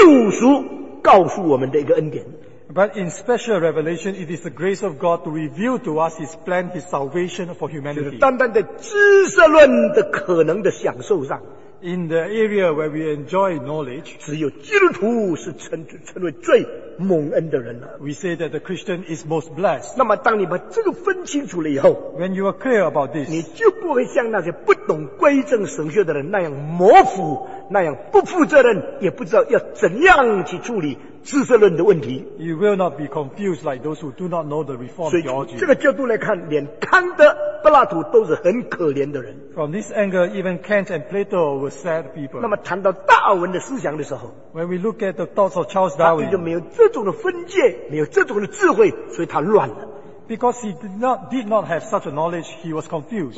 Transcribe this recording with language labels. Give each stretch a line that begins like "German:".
Chinese: 超普遍启示的特殊启示是上帝凭着他的主权，愿意把他的存有、他的本性、他的计划以及他对人类的救赎告诉我们的一个恩典。
English: But in special revelation, it is the grace of God to reveal to us His plan, His salvation for humanity.
Chinese: 就是单单的知识论的可能的享受上。
English: In the area where we enjoy knowledge,
Chinese: 只有基督徒是称为最蒙恩的人了。
English: We say that the Christian is most blessed.
Chinese: 那么当你把这个分清楚了以后,
English: When you are clear about this,
Chinese: 你就不会像那些不懂归正神学的人那样模糊,那样不负责任,也不知道要怎样去处理知识论的问题。
English: You will not be confused like those who do not know the Reformed theology.
Chinese: 所以这个角度来看, 连康德, 柏拉图都是很可怜的人。
English: From this angle, even Kant and Plato were sad people.
Chinese: 那么谈到达尔文的思想的时候,
English: When we look at the thoughts of Charles Darwin,
Chinese: 他就没有这种的分界, 没有这种的智慧, 所以他乱了。
English: Because he did not have such a knowledge, he was confused.